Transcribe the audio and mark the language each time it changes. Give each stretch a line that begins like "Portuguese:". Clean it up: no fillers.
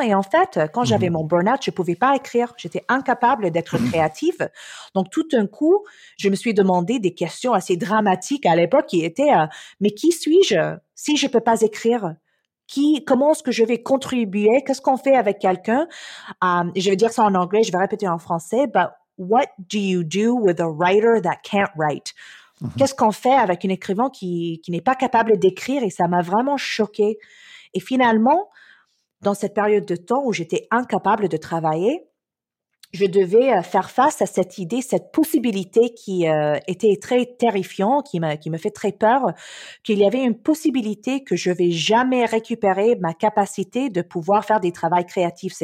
French: Et en fait, quand j'avais mon burn-out, je ne pouvais pas écrire. J'étais incapable d'être créative. Donc, tout d'un coup, je me suis demandé des questions assez dramatiques à l'époque qui étaient mais qui suis-je si je ne peux pas écrire? Comment est-ce que je vais contribuer? Qu'est-ce qu'on fait avec quelqu'un? Je vais dire ça en anglais, je vais répéter en français.
English: But what do you do with a writer that can't write?
French: Qu'est-ce qu'on fait avec un écrivain qui n'est pas capable d'écrire? Et ça m'a vraiment choquée. Et finalement, dans cette période de temps où j'étais incapable de travailler, je devais faire face à cette idée, cette possibilité qui était très terrifiante, qui me fait très peur, qu'il y avait une possibilité que je vais jamais récupérer ma capacité de pouvoir faire des travaux créatifs.